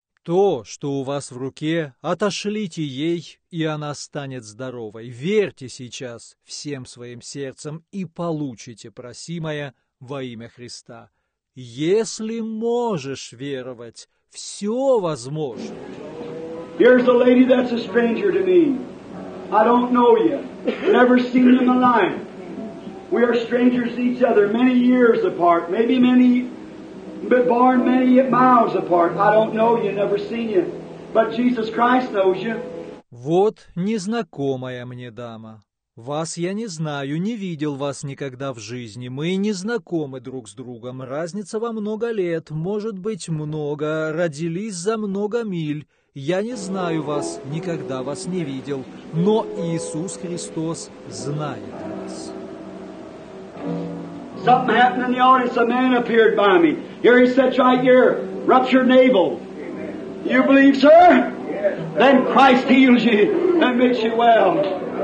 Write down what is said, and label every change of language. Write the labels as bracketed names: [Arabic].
[Russian] то, что у вас в руке, отошлите ей, и она станет здоровой. Верьте сейчас всем своим сердцем и получите просимое во имя Христа. Если можешь веровать, все возможно. [English] Here's a lady that's a stranger to me. I don't know you. Never seen you in my life. We are strangers to each other, many years apart, maybe many, but born many miles apart. I don't know you, never seen you. But Jesus Christ knows you. [Russian] Вот незнакомая мне дама. Вас я не знаю, не видел вас никогда в жизни. Мы не знакомы друг с другом. Разница во много лет, может быть, много. Родились за много миль. Я не знаю вас, никогда вас не видел. Но Иисус Христос знает вас. [English] Something happened in the audience. A man appeared by me. Here he sits right here. Ruptured navel. You believe, sir? Then Christ heals you and makes you well.